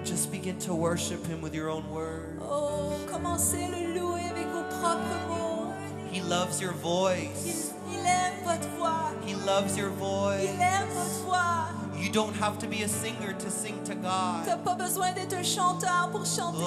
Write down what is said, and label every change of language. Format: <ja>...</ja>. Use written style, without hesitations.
<en>Begin to worship him with your own words.</en> <fr>Oh, commencez le louer avec vos propres mots.</fr> <en>He loves your voice.</en> <fr>Il aime votre voix.</fr> <en>He loves your voice.</en> <fr>Il aime votre voix.</fr> <en>You don't have to be a singer to sing to God.</en> <fr>T'as pas besoin d'être un chanteur pour chanter à Dieu.</fr>